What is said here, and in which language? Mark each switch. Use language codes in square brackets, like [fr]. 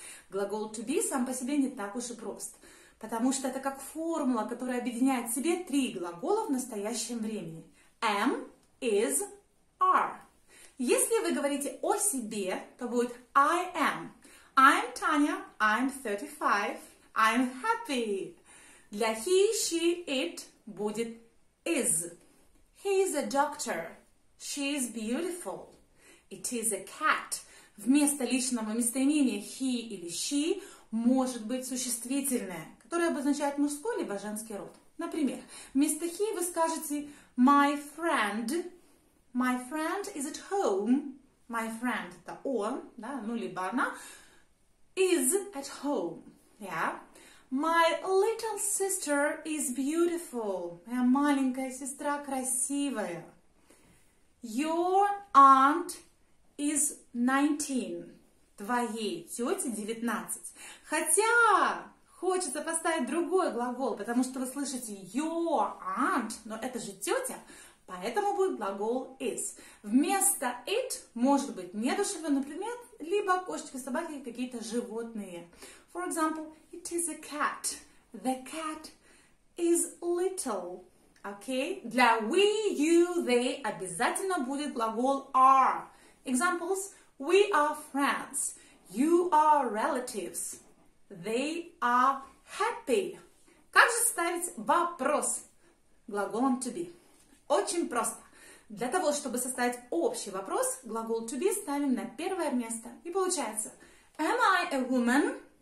[ru] Глагол to be сам по себе не так уж и прост. Потому что это как формула, которая объединяет в себе три глагола в настоящем времени. [en] Am, is, are. [ru] Если вы говорите о себе, то будет I am. [en] I'm Tanya, I'm 35, I'm happy. [ru] Для he, she, it будет is. [en] He is a doctor, she is beautiful, it is a cat. [ru] Вместо личного местоимения he или she может быть существительное, которое обозначает мужской либо женский род. Например, вместо [en] he [ru] вы скажете [en] my friend is at home, my friend, [ru] это он, да, ну либо она, [en] is at home, yeah. My little sister is beautiful, [ru] моя маленькая сестра красивая. [en] Your aunt is 19, [ru] твоей тете 19, хотя... Хочется поставить другой глагол, потому что вы слышите [en] your aunt, [ru] но это же тетя, поэтому будет глагол is. Вместо it может быть неодушевленный предмет, либо кошечки, собаки и какие-то животные. [en] For example, it is a cat. The cat is little. Okay? [ru] Для we, you, they обязательно будет глагол are. [en] Examples, we are friends. You are relatives. They are happy. [ru] Как же ставить вопрос глаголом to be? Очень просто. Для того, чтобы составить общий вопрос, глагол to be ставим на первое место. И получается, [en] am I a woman?